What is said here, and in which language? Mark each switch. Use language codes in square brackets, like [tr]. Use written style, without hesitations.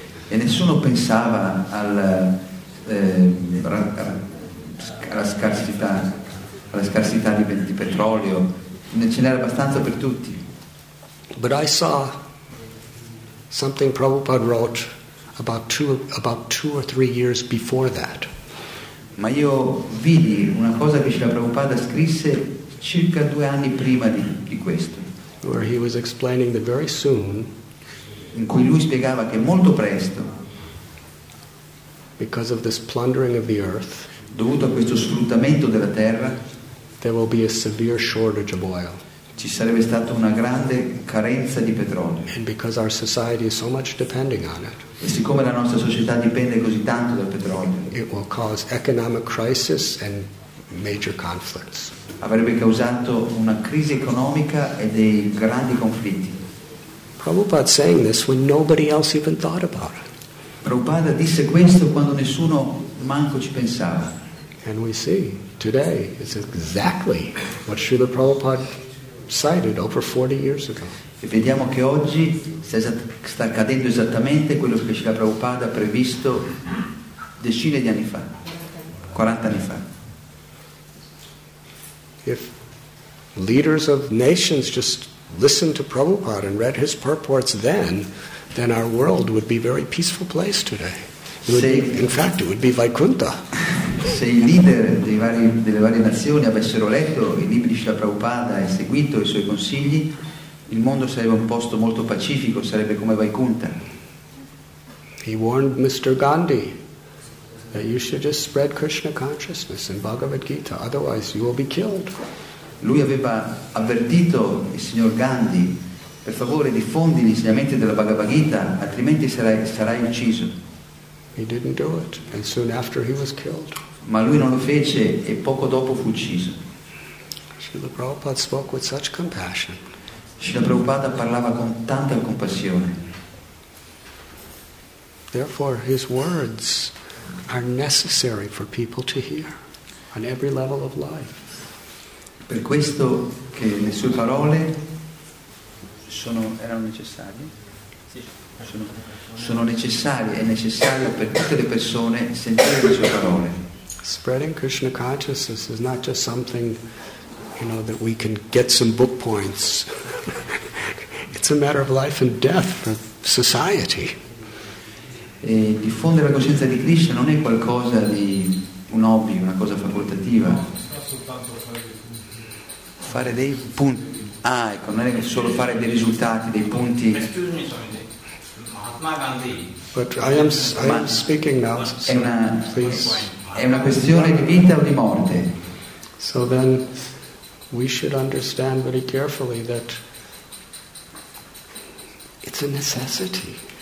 [it] E nessuno pensava alla scarsità di petrolio. Ne ce n'era abbastanza per tutti. [en] But I saw something Prabhupada wrote about two or three years before that. [it] Ma io vidi una cosa che Srila Prabhupada scrisse circa due anni prima di questo. [en] Where he was explaining that very soon, [it] in cui lui spiegava che molto presto, [en] because of this plundering of the earth, [it] dovuto a questo sfruttamento della terra, [en] there will be a severe shortage of oil. [it] Ci sarebbe stata una grande carenza di petrolio. [en] And because our society is so much depending on it, [it] e siccome la nostra società dipende così tanto dal petrolio, [en] it will cause economic crisis and major conflicts. [it] Avrebbe causato una crisi economica e dei grandi conflitti. [en] Prabhupada saying this when nobody else even thought about it. [it] Prabhupada disse questo quando nessuno manco ci pensava. [en] And we see today it's exactly what Srila Prabhupada cited over 40 years ago. [it] E vediamo che oggi sta accadendo esattamente quello che Srila Prabhupada ha previsto decine di anni fa, 40 anni fa. [en] If leaders of nations just listened to Prabhupada and read his purports then our world would be a very peaceful place today. In fact, it would be Vaikuntha. [it] Se i leader delle varie nazioni avessero letto i libri di Srila Prabhupada e seguito i suoi consigli, il mondo sarebbe un posto molto pacifico, sarebbe come Vaikuntha. [en] He warned Mr. Gandhi. that you should just spread Krishna consciousness in Bhagavad Gita, otherwise you will be killed. [it] Lui aveva avvertito il signor Gandhi, per favore diffondi gli insegnamenti della Bhagavad Gita, altrimenti sarai ucciso. [en] He didn't do it, and soon after he was killed. [it] Ma lui non lo fece e poco dopo fu ucciso. [en] Srila Prabhupada spoke with such compassion. [it] Srila Prabhupada parlava con tanta compassione. [en] Therefore, his words are necessary for people to hear on every level of life. [it] Per questo che le sue parole erano necessarie. Sono necessarie, è necessario per tutte le persone sentire le sue parole. [en] Spreading Krishna consciousness is not just something, you know, that we can get some book points. It's a matter of life and death for society. [it] E diffondere la coscienza di Krishna non è qualcosa di un hobby, una cosa facoltativa. Fare dei punti. Ah, ecco, non è solo fare dei risultati, dei punti. [en] But I am speaking now. Please. [it] È una questione di vita o di morte. [en] So then we should understand very carefully that it's a necessity.